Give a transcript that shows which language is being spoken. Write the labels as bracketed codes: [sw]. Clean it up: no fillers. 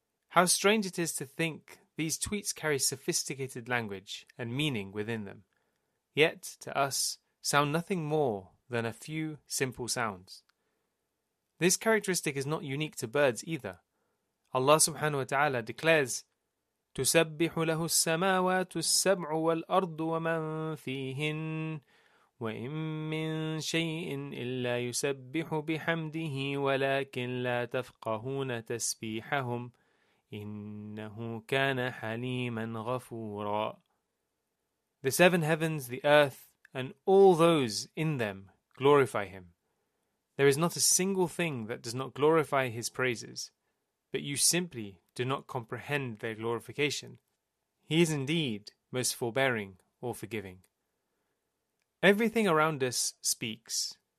[en] How strange it is to think these tweets carry sophisticated language and meaning within them, yet to us sound nothing more than a few simple sounds. This characteristic is not unique to birds either. Allah subhanahu wa ta'ala declares, [ar] تسبح له السماوات السبع والأرض ومن فيهن وإن من شيء إلا يسبح بحمده ولكن لا تفقهون تسبيحهم إنه كان حليما غفورا. [en] The seven heavens, the earth, and all those in them glorify him. There is not a single thing that does not glorify his praises, but you simply do not comprehend their glorification. He is indeed most forbearing or forgiving. Everything around us speaks.